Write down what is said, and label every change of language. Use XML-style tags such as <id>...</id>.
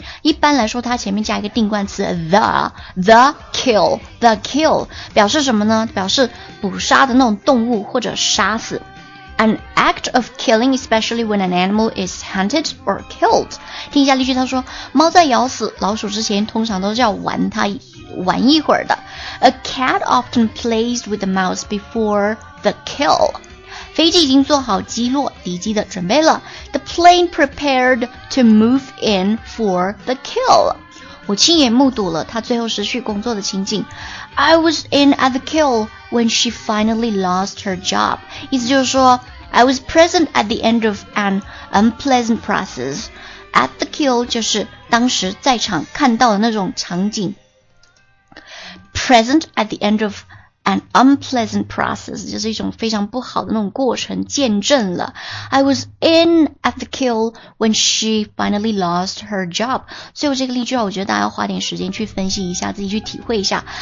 <zh>一般来说它前面加一个定冠词 the kill 表示什么呢？表示捕杀的那种动物或者杀死。</zh> <en>An act of killing, especially when an animal is hunted or killed.</en> <zh>听一下例句，他说，猫在咬死老鼠之前，通常都是要玩它玩一会儿的。</zh> <en>A cat often plays with the mouse before the kill.</en> <zh>飞机已经做好击落敌机的准备了。</zh> <en>The plane prepared to move in for the kill.</en> <zh>我亲眼目睹了她最后失去工作的情景。</zh> <en>I was in at the kill when she finally lost her job.</en> <zh>意思就是说</zh> <en>I was present at the end of an unpleasant process. At the kill</en> <zh>就是当时在场看到的那种场景。</zh> <en>Present at the end of an unpleasant process</en> <zh>就是一种非常不好的那种过程，见证了。</zh> <en>I was in at the kill when she finally lost her job.</en> <zh>所以我这个例句啊，我觉得大家要花点时间去分析一下，自己去体会一下。</zh>